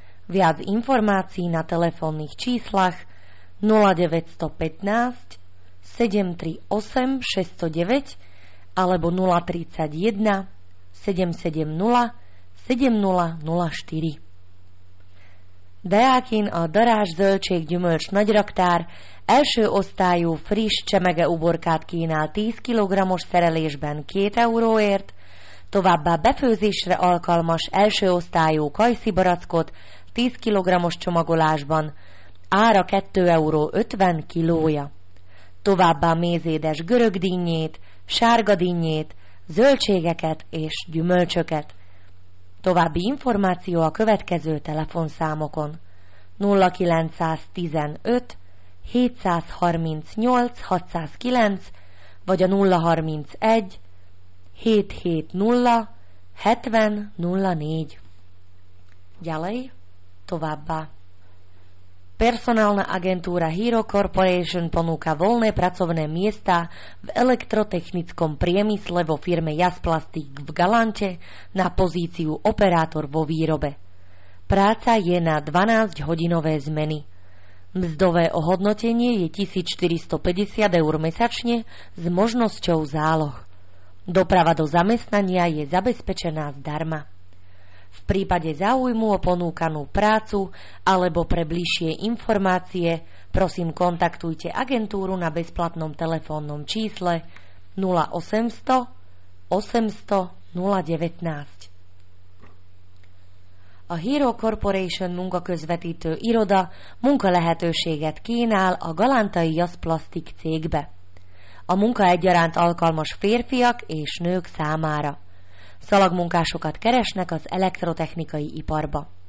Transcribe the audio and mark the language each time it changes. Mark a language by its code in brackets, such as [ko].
[sk] Viac informácií na telefónnych číslach 0915 738 609 alebo 031 770 7004. [hu] Deákin a Darás zöldség gyümölcs nagyraktár első osztályú friss csemege uborkát kínál 10 kg-os szerelésben 2 euróért, továbbá befőzésre alkalmas első osztályú kajszibarackot 10 kg-os csomagolásban, ára 2 euró 50 kilója. Továbbá mézédes görög dinnyét, sárga dinnyét, zöldségeket és gyümölcsöket. További információ a következő telefonszámokon: 0915 738 609 vagy a 031 770 7004. [sk] Ďalej, [hu] továbbá. [sk] Personálna agentúra Hero Corporation ponúka voľné pracovné miesta v elektrotechnickom priemysle vo firme Jasplastik v Galante na pozíciu operátor vo výrobe. Práca je na 12-hodinové zmeny. Mzdové ohodnotenie je 1450 eur mesačne s možnosťou záloh. Doprava do zamestnania je zabezpečená zdarma. V prípade záujmu o ponúkanú prácu alebo pre bližšie informácie, prosím kontaktujte agentúru na bezplatnom telefónnom čísle 0800 800 019. [hu] A Hero Corporation munkaközvetítő iroda munkalehetőséget kínál a Galantai Jasplastik cégbe. A munka egyaránt alkalmas férfiak és nők számára. Szalagmunkásokat keresnek az elektrotechnikai iparba.